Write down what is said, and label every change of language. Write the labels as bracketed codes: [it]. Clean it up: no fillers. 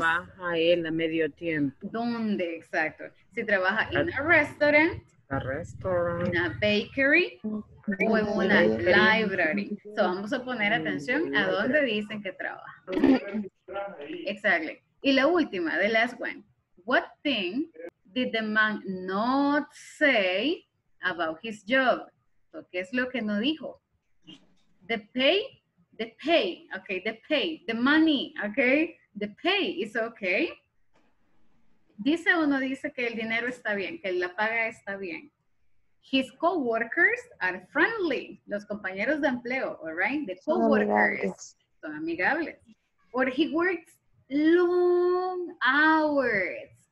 [es] ¿Dónde trabaja él a medio tiempo? ¿Dónde, exacto? Si trabaja en un restaurant, [en] A restaurant. [es] Una bakery o en una library. So vamos a poner atención a dónde dicen que trabaja. [en] Exactly. [es] Y la última, [en] the last one. What thing did the man not say about his job? So, [es] ¿qué es lo que no dijo? [en] The pay, okay, the pay, the money, okay, the pay is okay. [es] ¿Dice o no dice que el dinero está bien, que la paga está bien? [en] His co-workers are friendly, [es] los compañeros de empleo, [en] all right? The co-workers [es] son amigables. [en] Or he works long hours.